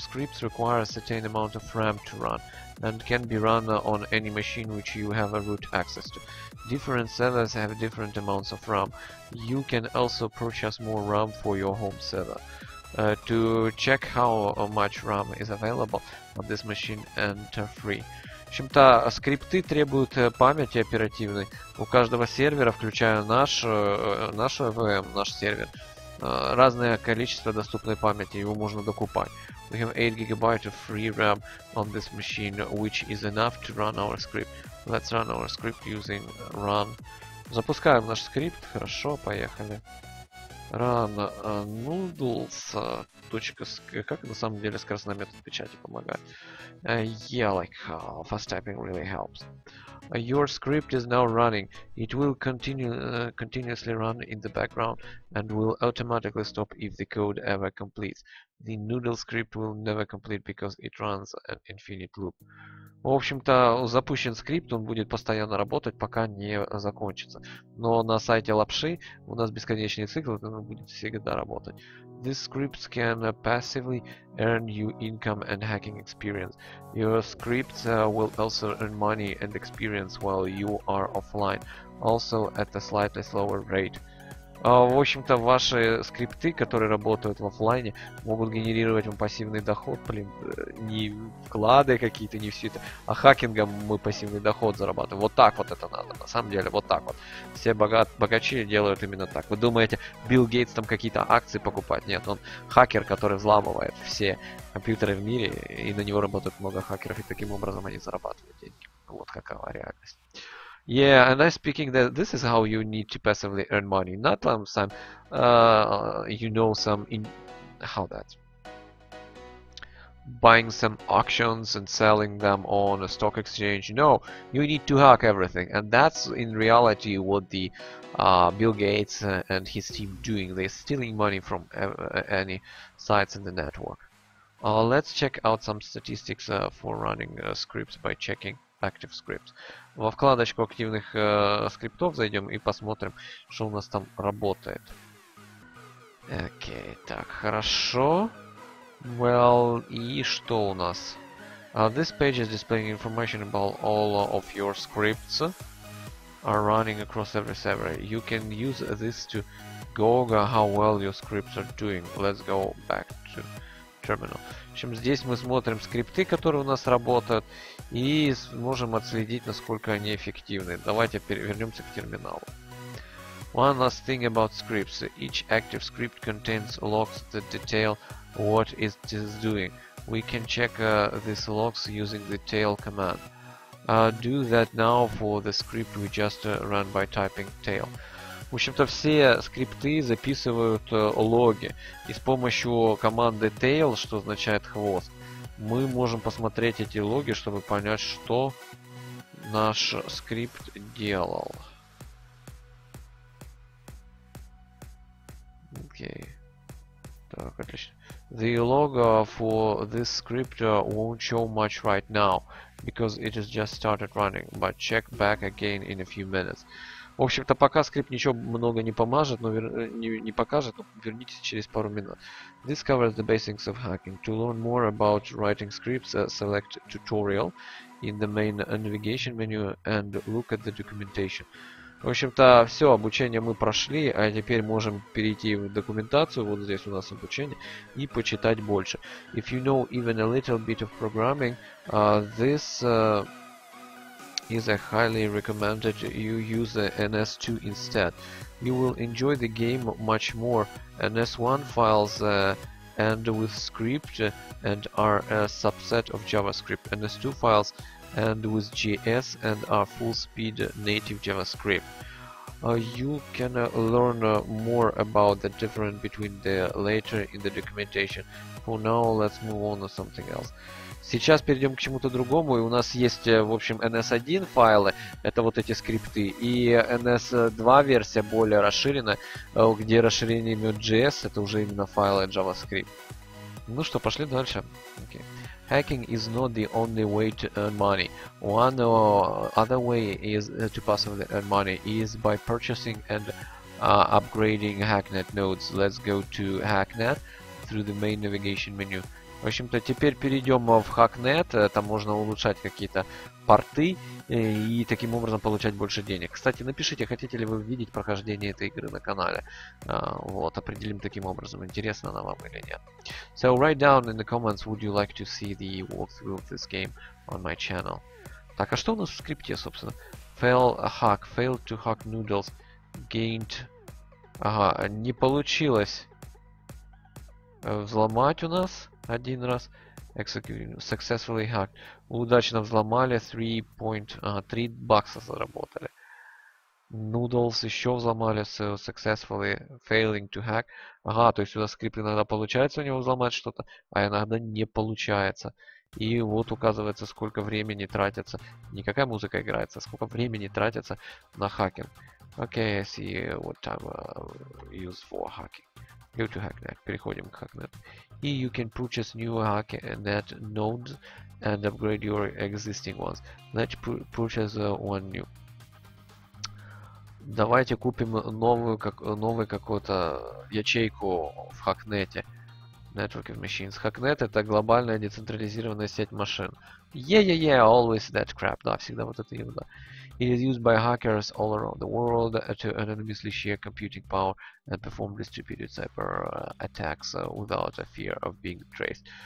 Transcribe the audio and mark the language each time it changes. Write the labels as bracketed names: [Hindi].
[English] Scripts require a certain amount of RAM to run and can be run on any machine which you have a root access to. Different servers have different amounts of RAM. You can also purchase more RAM for your home server. To check how much RAM is available on this machine, enter free. [Russian] В общем-то, скрипты требуют памяти оперативной. У каждого сервера, включая наш VM, наш сервер, разное количество доступной памяти, его можно докупать. [English] We have 8 GB of free RAM on this machine, which is enough to run our script. Let's run our script using run. [Russian] Запускаем наш скрипт. Хорошо, поехали. [English] Run noodles. [Russian] Как на самом деле скоростной метод печати помогает? [English] Yeah, like fast typing really helps. Your script is now running. It will continuously run in the background and will automatically stop if the code ever completes. The noodle script will never complete because it runs an infinite loop. [Russian] В общем-то, запущен скрипт, он будет постоянно работать, пока не закончится. Но на сайте лапши у нас бесконечный цикл, он будет всегда работать. [English] These scripts can passively earn you income and hacking experience. Your scripts will also earn money and experience while you are offline, also at a slightly slower rate. [Russian] В общем-то, ваши скрипты, которые работают в офлайне, могут генерировать вам пассивный доход, блин, не вклады какие-то, не все это, а хакингом мы пассивный доход зарабатываем. Вот так вот это надо, на самом деле, вот так вот. Все богачи делают именно так. Вы думаете, Билл Гейтс там какие-то акции покупает? Нет, он хакер, который взламывает все компьютеры в мире, и на него работают много хакеров, и таким образом они зарабатывают деньги. Вот какова реальность. [English] Yeah, and I'm speaking that this is how you need to passively earn money, not some, you know, some in how that buying some auctions and selling them on a stock exchange. No, you need to hack everything, and that's in reality what the Bill Gates and his team doing. They're stealing money from any sites in the network. Let's check out some statistics for running scripts by checking active scripts. [Russian] Во вкладочку активных скриптов зайдем и посмотрим, что у нас там работает. Окей, так, хорошо. Well, и что у нас? [English] This page is displaying information about all of your scripts are running across every server. You can use this to gauge how well your scripts are doing. Let's go back to terminal. [Russian] В общем, здесь мы смотрим скрипты, которые у нас работают, и сможем отследить, насколько они эффективны. Давайте вернемся к терминалу. [English] One last thing about scripts. Each active script contains logs that detail what it is doing. We can check these logs using the tail command. Do that now for the script we just ran by typing tail. [Russian] В общем-то, все скрипты записывают логи. И с помощью команды tail, что означает хвост, мы можем посмотреть эти логи, чтобы понять, что наш скрипт делал. Окей. Так, отлично. [English] The log for this script won't show much right now, because it has just started running, but check back again in a few minutes. [Russian] В общем-то, пока скрипт ничего много не помажет, но не покажет, но вернитесь через пару минут. [English] This covers the basics of hacking. To learn more about writing scripts, select tutorial in the main navigation menu and look at the documentation. [Russian] В общем-то, все, обучение мы прошли, а теперь можем перейти в документацию, вот здесь у нас обучение, и почитать больше. [English] If you know even a little bit of programming, this is a highly recommended you use the NS2 instead. You will enjoy the game much more. NS1 files end with script and are a subset of JavaScript. NS2 files end with JS and are full-speed native JavaScript. You can learn more about the difference between the later in the documentation. For now, let's move on to something else. [Russian] Сейчас перейдем к чему-то другому, и у нас есть, в общем, NS1 файлы, это вот эти скрипты, и NS2 версия более расширена, где расширение имеет JS, это уже именно файлы JavaScript. Ну что, пошли дальше. [English] Okay. Hacking is not the only way to earn money. One other way is to possibly earn money is by purchasing and upgrading HackNet nodes. Let's go to HackNet through the main navigation menu. [Russian] В общем-то, теперь перейдем в HackNet, там можно улучшать какие-то порты и таким образом получать больше денег. Кстати, напишите, хотите ли вы видеть прохождение этой игры на канале. Вот, определим таким образом, интересно она вам или нет. [English] So write down in the comments, would you like to see the walkthrough of this game on my channel? [Russian] Так, а что у нас в скрипте, собственно? [English] Fail hack, failed to hack noodles, gained... [Russian] Ага, не получилось взломать у нас. Один раз. [English] Successfully hacked. [Russian] Удачно взломали. 3 бакса заработали. Noodles еще взломали. [English] So successfully failing to hack. [Russian] Ага, то есть у нас скрипт иногда получается у него взломать что-то, а иногда не получается. И вот указывается, сколько времени тратится. Никакая музыка играется. Сколько времени тратится на хакинг. [English] Okay, I see what time used for hacking. Go to HackNet. [Russian] Переходим к HackNet. [English] Here you can purchase new HackNet nodes and upgrade your existing ones. Let's purchase one new. [Russian] Давайте купим новую, как новую какую-то ячейку в HackNet. [English] Network of Machines. [Russian] HackNet — это глобальная децентрализированная сеть машин. [English] Yeah, always that crap. [Russian] Да, всегда вот это ерунда. [English] It is used by hackers all around the world to anonymously share computing power and perform distributed cyber attacks without a fear of being traced.